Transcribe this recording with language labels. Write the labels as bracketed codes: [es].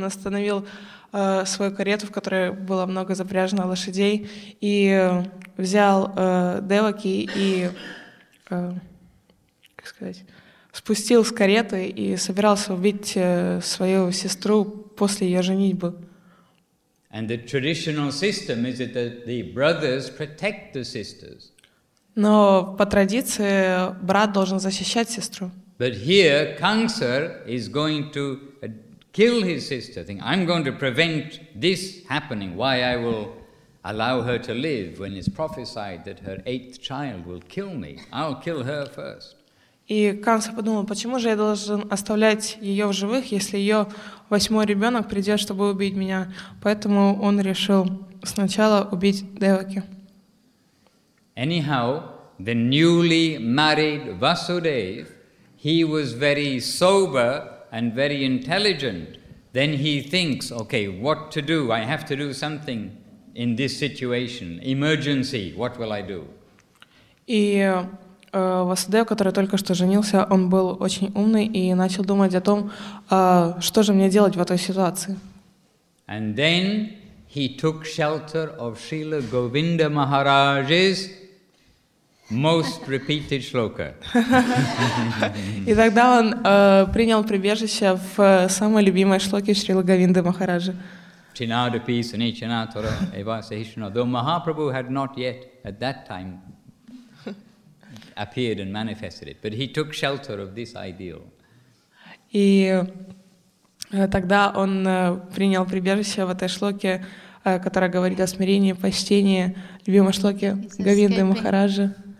[ru] Он остановил свою карету, в которой было много запряжено лошадей, и взял Деваки и как сказать, спустил с кареты и собирался убить свою сестру после ее женитьбы. [en] And the traditional system is that the brothers protect the sisters. [ru] Но по традиции брат должен защищать сестру. [en] But here Kamsa is going to kill his sister. Think, I'm going to prevent this happening. Why I will allow her to live when it's prophesied that her eighth child will kill me? I'll kill her first. [ru] И Kamsa подумал, почему же я должен оставлять ее в живых, если ее восьмой ребенок придет, чтобы убить меня? Поэтому он решил сначала убить Деваки. [en] Anyhow, the newly married Vasudev, he was very sober and very intelligent. Then he thinks, okay, what to do? I have to do something in this situation. Emergency, what will I do? [ru] И Васудев, который только что женился, он был очень умный и начал думать о том, что же мне делать в этой ситуации. [en] And then he took shelter of Srila Govinda Maharaj's most repeated shloka. [ru] И тогда он принял прибежище в самой любимой шлоке Шрилы Говинды Махараджи. [sa] Chinadapi sanichanatara evasahishana. [en] Though Mahaprabhu had not yet at that time appeared and manifested it, but he took shelter of this ideal. [ru] И тогда он принял прибежище в этой шлоке, которая говорит о смирении, почтении, любимой шлоке Говинды Махараджи.